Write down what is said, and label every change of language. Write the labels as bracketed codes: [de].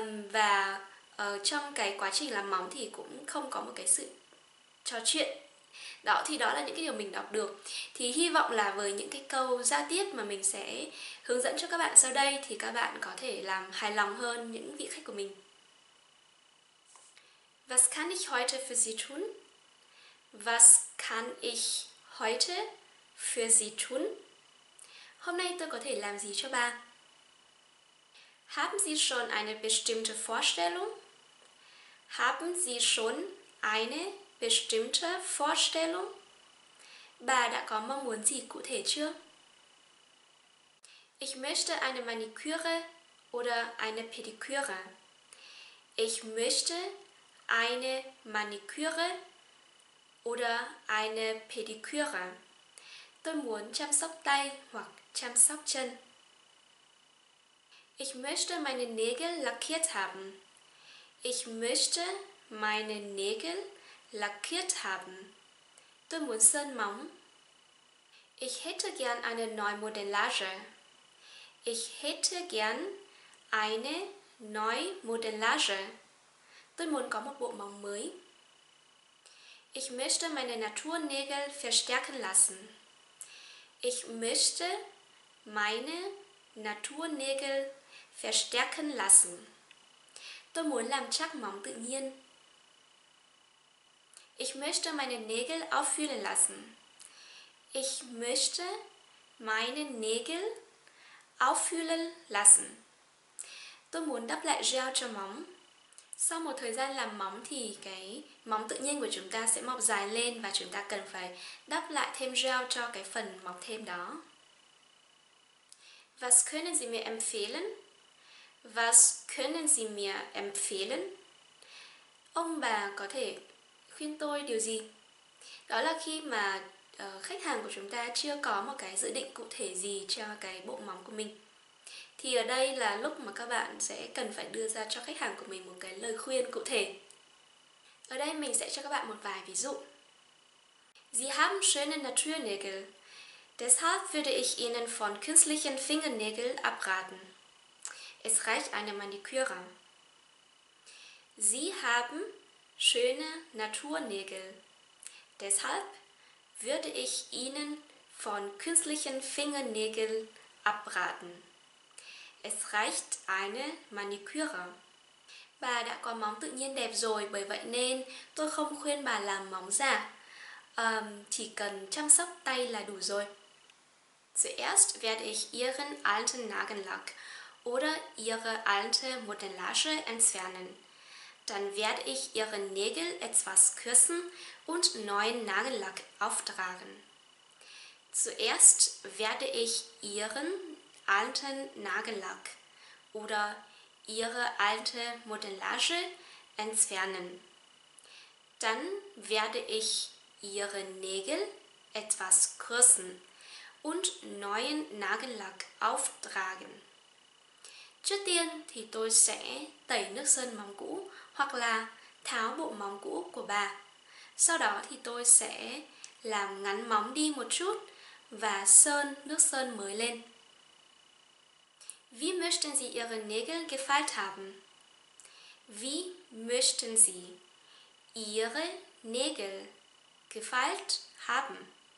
[vi] Và trong cái quá trình làm móng thì cũng không có một cái sự trò chuyện. Đó thì đó là những cái điều mình đọc được. Thì hy vọng là với những cái câu giao tiếp mà mình sẽ hướng dẫn cho các bạn sau đây thì các bạn có thể làm hài lòng hơn những vị khách của mình. [de] Was kann ich heute für Sie tun? Was kann ich heute für Sie tun? [vi] Hôm nay tôi có thể làm gì cho bà? [de] Haben Sie schon eine bestimmte Vorstellung? Haben Sie schon eine bestimmte Vorstellung? [vi] Bà đã có mong muốn gì cụ thể chưa? [de] Ich möchte eine Maniküre oder eine Pediküre. Ich möchte eine Maniküre oder eine Pediküre. [vi] Tôi muốn chăm sóc tay hoặc chăm sóc chân. [de] Ich möchte meine Nägel lackiert haben. Ich möchte meine Nägel lackiert haben. [vi] Tôi muốn sơn móng. [de] Ich hätte gern eine neue Modellage. Ich hätte gern eine neue Modellage. [vi] Tôi muốn có một bộ móng mới. [de] Ich möchte meine Naturnägel verstärken lassen. Ich möchte meine Naturnägel verstärken lassen. [vi] Tôi muốn làm chắc móng tự nhiên. [de] Ich möchte meine Nägel auffüllen lassen. Ich möchte meine Nägel auffüllen lassen. [vi] Tôi muốn đắp lại gel cho móng. Sau một thời gian làm móng thì cái móng tự nhiên của chúng ta sẽ mọc dài lên và chúng ta cần phải đắp lại thêm gel cho cái phần mọc thêm đó. [de] Was können Sie mir empfehlen? Was können Sie mir empfehlen? [vi] Ông bà có thể khuyên tôi điều gì? Đó là khi mà khách hàng của chúng ta chưa có một cái dự định cụ thể gì cho cái bộ móng của mình. Thì ở đây là lúc mà các bạn sẽ cần phải đưa ra cho khách hàng của mình một cái lời khuyên cụ thể. Ở đây mình sẽ cho các bạn một vài ví dụ. [de] Sie haben schöne Naturnägel. Deshalb würde ich Ihnen von künstlichen Fingernägeln abraten. Es reicht eine Maniküre. Sie haben schöne Naturnägel. Deshalb würde ich Ihnen von künstlichen Fingernägeln abraten. Es reicht eine Maniküre. [vi] Bà đã có móng tự nhiên đẹp rồi, bởi vậy nên tôi không khuyên bà làm móng giả. Chỉ cần chăm sóc tay là đủ rồi. [de] Zuerst werde ich Ihren alten Nagellack oder Ihre alte Modellage entfernen. Dann werde ich Ihre Nägel etwas kürzen und neuen Nagellack auftragen. Zuerst werde ich Ihren alten Nagellack oder Ihre alte Modellage entfernen. Dann werde ich Ihre Nägel etwas kürzen und neuen Nagellack auftragen. [vi] Trước tiên thì tôi sẽ tẩy nước sơn móng cũ hoặc là tháo bộ móng cũ của bà. Sau đó thì tôi sẽ làm ngắn móng đi một chút và sơn nước sơn mới lên. [de] Wie möchten Sie Ihre Nägel gefeilt haben? Wie möchten Sie Ihre Nägel gefeilt haben?